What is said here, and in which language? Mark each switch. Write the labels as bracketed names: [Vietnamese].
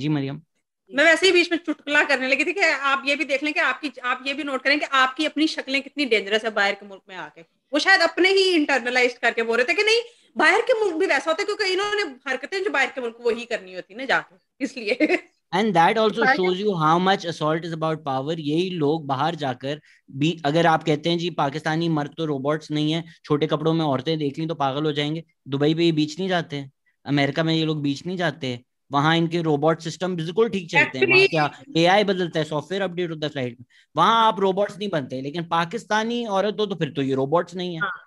[Hindi] जी मरियम, मैं वैसे ही बीच में चुटकुला करने लगी थी कि आप ये भी देख लें कि आप ये भी नोट करें कि आपकी अपनी शक्लें कितनी डेंजरस है बाहर के मुल्क में आके. वो शायद अपने ही इंटरनलाइज करके बोल रहे थे कि नहीं बाहर के मुल्क भी वैसा होता है, क्योंकि इन्होंने हरकतें जो बाहर के मुल्क वही करनी होती ना जाके, इसलिए [English] And that also shows you how much assault is about power. [Hindi] यही लोग बाहर जाकर भी अगर आप कहते हैं जी पाकिस्तानी मर्द तो रोबोट्स नहीं है, छोटे कपड़ों में औरतें देख ली तो पागल हो जाएंगे, दुबई पे ये बीच नहीं जाते, अमेरिका में ये लोग बीच नहीं जाते, वहां इनके रोबोट सिस्टम बिल्कुल ठीक चलते हैं, वहां क्या AI बदलता है, सॉफ्टवेयर अपडेट होता है फ्लाइट में, वहां आप रोबोट्स नहीं बनते, लेकिन पाकिस्तानी औरत हो तो फिर तो ये रोबोट्स नहीं है।